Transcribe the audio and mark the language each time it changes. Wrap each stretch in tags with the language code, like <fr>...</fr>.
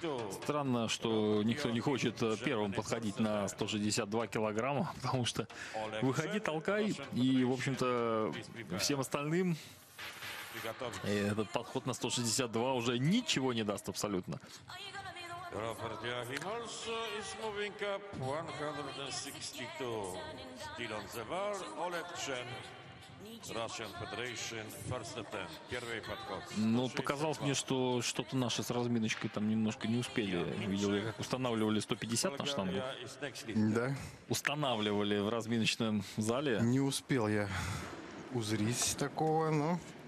<ru>Странно, что никто не хочет первым подходить на 162 килограмма, потому что выходи, толкай, и, в общем-то, всем остальным этот подход на 162 уже ничего не даст абсолютно.</ru> <en>Robert Joachim also is moving up 162. Still on the bar, Oleg Chen. Russian Federation, first attempt,</en> <ru>первый подход. Ну, показалось мне, что что-то наши с разминочкой там немножко не успели. Видел я, как устанавливали 150 на штангу. Да. Устанавливали в разминочном зале. Не успел я узрить такого, но...</ru>